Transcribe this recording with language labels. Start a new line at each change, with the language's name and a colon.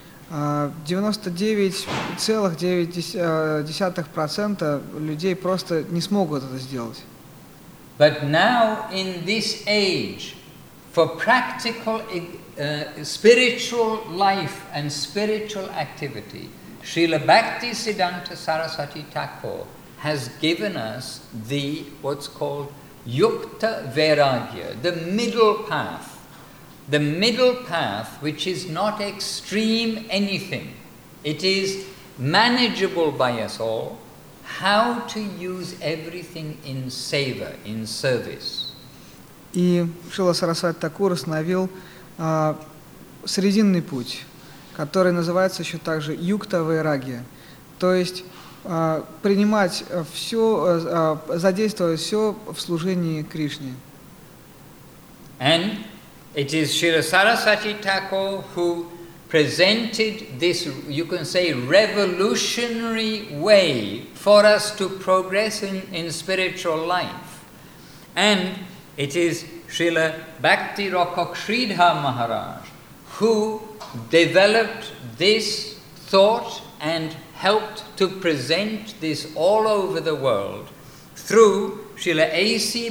Russian: 99.9% людей просто не смогут это сделать.
English: But now in this age, for practical spiritual life and spiritual activity, Srila Bhaktisiddhanta Sarasvati Thakur has given us the what's called Yukta Vairagya, the middle path. The middle path, which is not extreme anything, it is manageable by us all, how to use everything in seva, in service.
Russian: И Шрила Сарасвати Такур установил срединный путь, который называется еще также Юкта Вайрагья, то есть принимать все, задействовать все в служении Кришне.
English: And it is Srila Sarasvati Thakur who presented this, you can say, revolutionary way for us to progress in spiritual life. And it is Srila Bhakti Rokak Sridhar Maharaj who developed this thought and helped to present this all over the world through Srila A.C.